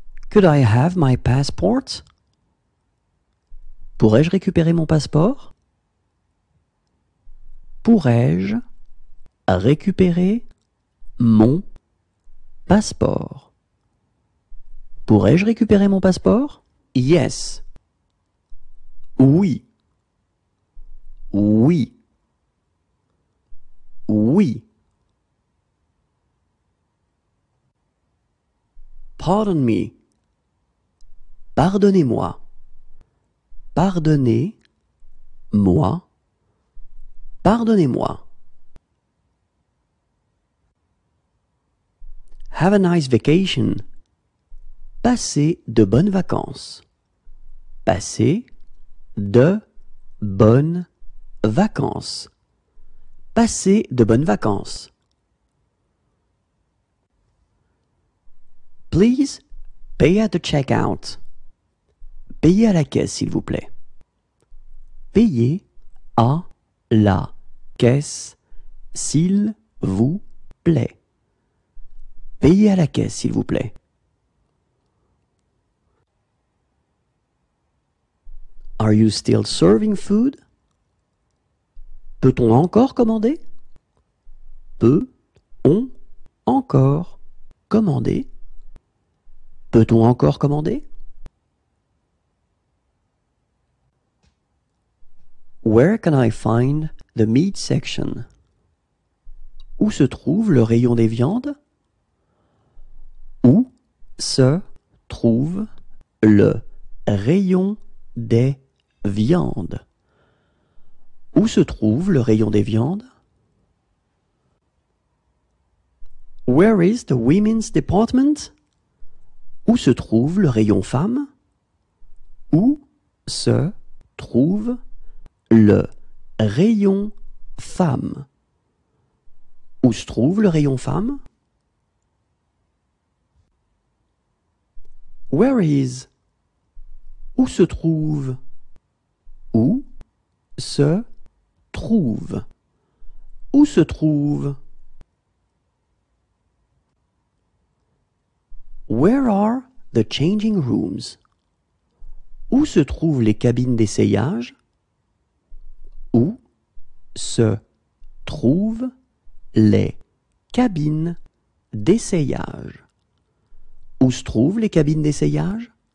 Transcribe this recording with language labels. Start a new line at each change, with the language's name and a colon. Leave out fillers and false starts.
English: Could I have my passport?
French: Pourrais-je récupérer mon passeport? Pourrais-je récupérer mon passeport? Pourrais-je récupérer mon passeport?
English: Yes.
French: Oui. Oui. Oui.
English: Pardon me.
French: Pardonnez-moi. Pardonnez-moi. Pardonnez-moi.
English: Have a nice vacation.
French: Passez de bonnes vacances. Passez de bonnes vacances. Passez de bonnes vacances.
English: Please pay at the checkout.
French: Payez à la caisse, s'il vous plaît. Payez à la caisse, s'il vous plaît. Payez à la caisse, s'il vous plaît.
English: Are you still serving food?
French: Peut-on encore commander? Peut-on encore commander? Peut-on encore commander?
English: Where can I find the meat section?
French: Où se trouve le rayon des viandes? Où se trouve le rayon des viandes? Où se trouve le rayon des viandes?
English: Where is the women's department?
French: Où se trouve le rayon femmes? Où se trouve le rayon femme? Où se trouve le rayon femme?
English: Where is?
French: Où se trouve? Où se trouve? Où se trouve?
English: Where are the changing rooms?
French: Où se trouvent les cabines d'essayage? Où se trouvent les cabines d'essayage? Où se trouvent les cabines d'essayage?